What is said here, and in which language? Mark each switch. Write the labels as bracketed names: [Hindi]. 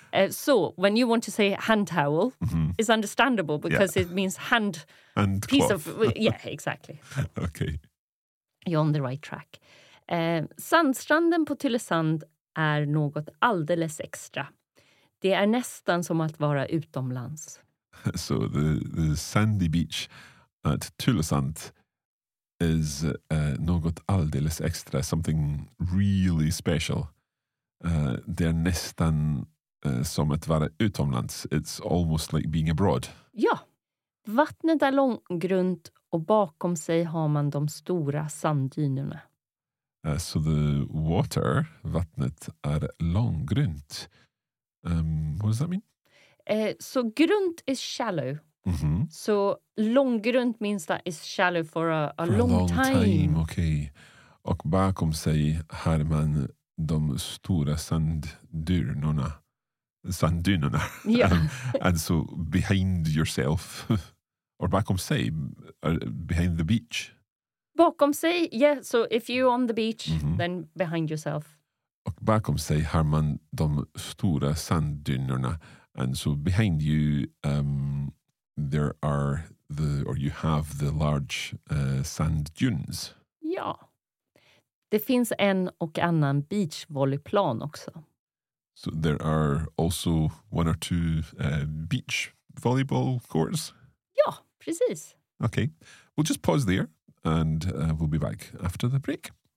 [English] So when you want to say hand towel, it's understandable because it means hand piece cloth. Yeah, exactly. Okay. You're on the right track. [Swedish] Sandstranden på Tylösand är något alldeles extra. Det är nästan som att vara utomlands. [English] So the sandy beach at Tylösand is [Swedish] något alldeles extra, [English] something really special. [Swedish] Det är nästan som att vara utomlands. [English] It's almost like being abroad. [Swedish] Ja, vattnet är långgrunt och bakom sig har man de stora sanddynerna. [English] So the water, [Swedish] vattnet, är långgrunt. [English] What does that mean? So grunt is shallow. Mm-hmm. So long grunt means that it's shallow for a long time. Okay. [Swedish] Och bakom sig har man de stora sanddynerna. Sanddynerna. [English] Yeah. And so behind yourself, or [Swedish] bakom sig, [English] behind the beach. [Swedish] Bakom sig, [English] yeah. So if you're on the beach, then behind yourself. [Swedish] Och bakom sig har man de stora sanddynerna. [English] And so behind you, you have the large sand dunes. [Swedish] Ja, det finns en och annan beachvolleyplan också. [English] So there are also one or two beach volleyball courts? [Swedish] Ja, precis. [English] Okay, we'll just pause there and we'll be back after the break.